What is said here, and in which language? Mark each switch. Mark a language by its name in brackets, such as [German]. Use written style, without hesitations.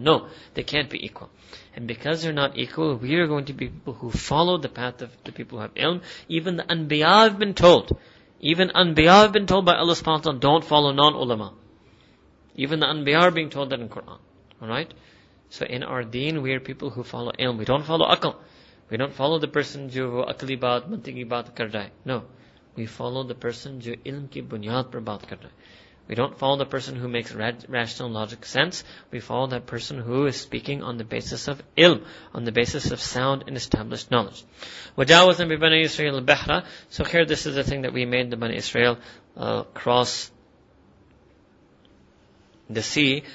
[English] No, they can't be equal. And because they're not equal, we are going to be people who follow the path of the people who have ilm. Even the anbiya have been told. Even anbiya have been told by Allah subhanahu wa ta'ala, don't follow non-ulama. Even the anbiya are being told that in Quran. Alright? So in our deen, we are people who follow ilm. We don't follow akal. We don't follow the person [Urdu] جو عقلی بات, منطقی بات کر رہے. [English] No. We follow the person [Urdu] جو علم کی بنیاد پر بات کر رہے. [English] We don't follow the person who makes rational logic sense. We follow that person who is speaking on the basis of ilm, on the basis of sound and established knowledge. [Arabic] وَجَاوَزَنْ بِبَنَى إِسْرَيْلِ الْبَحْرَ. [English] So here this is the thing that we made the Bani Israel cross the sea.